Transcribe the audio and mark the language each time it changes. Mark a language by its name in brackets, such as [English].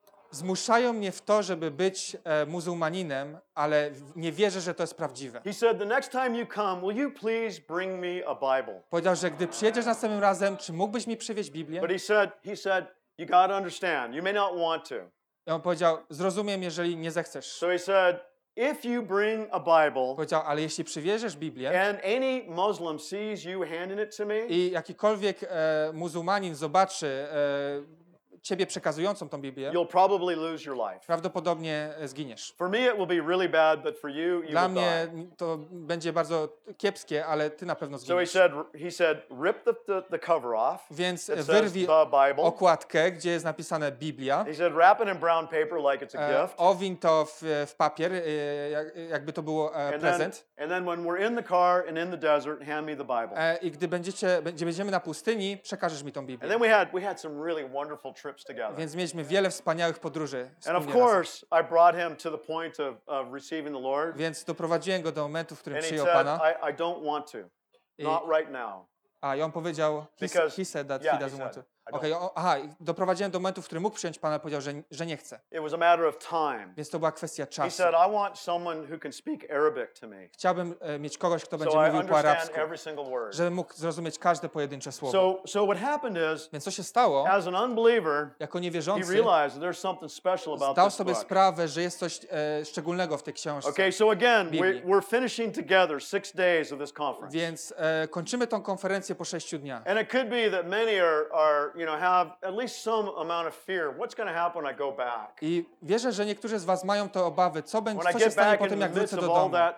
[Polish] Zmuszają mnie w to, żeby być muzułmaninem, ale nie wierzę, że to jest prawdziwe. [English] He said, "The next time you come, will you please bring me a Bible?" [Polish] Powiedział, że gdy przyjedziesz następnym razem, czy mógłbyś mi przywieźć Biblię? [English] But he said, "You got to understand. You may not want to." [Polish] I on powiedział: zrozumiem, jeżeli nie zechcesz. [English] So he said, if you bring a Bible, [Polish] powiedział, ale jeśli przywieziesz Biblię, [English] and any Muslim sees you handing it to me, [Polish] i jakikolwiek muzułmanin zobaczy ciebie przekazującą tą Biblię, [English] you'll probably lose your life. [Polish] Prawdopodobnie zginiesz. [English] For me it will be really bad, but for you, [Polish] dla mnie to będzie bardzo kiepskie, ale ty na pewno zginiesz. [English] So he said, rip the cover off. [Polish] Więc wyrwij okładkę, gdzie jest napisane Biblia. [English] He said, wrap it in brown paper like it's a gift. [Polish] Owiń to w papier, jakby to było prezent. [English] And then when we're in the car and in the desert, hand me the Bible. [Polish] I gdy będziemy na pustyni, przekażesz mi tą Biblię. [English] And then we had some really wonderful trips together. [Polish] Więc mieliśmy wiele wspaniałych podróży. [English] And of course, I brought him to the point of receiving the Lord. [Polish] Więc doprowadziłem go do momentu, w którym przyjął [English] Pana. I don't want to. Not right now. [Polish] A i on powiedział, [English] he said that he doesn't want to. [Polish] Okay, doprowadziłem do momentu, w którym mógł przyjąć Pana, ale powiedział, że nie chce. [English] It was a matter of time. [Polish] Więc to była kwestia czasu. [English] He said, I want someone who can speak Arabic to me. [Polish] Chciałbym mieć kogoś, kto będzie [English] so [Polish] mówił po arabsku, [English] every single word. [Polish] Żebym mógł zrozumieć każde pojedyncze słowo. [English] So what happened is, [Polish] więc co się stało, [English] as an unbeliever, [Polish] jako niewierzący, [English] he realized that there's something special about [Polish] zdał sobie sprawę, że jest coś szczególnego w tej książce. [English] Okay, so again, we're finishing together 6 days of this conference. [Polish] Więc kończymy tą konferencję po 6 dniach. [English] And it could be that many are you know, have at least some amount of fear. What's going to happen when I go back? [Polish] I wierzę, że niektórzy z was mają to obawy. Co będzie się stanie po tym, jak wrócę do domu?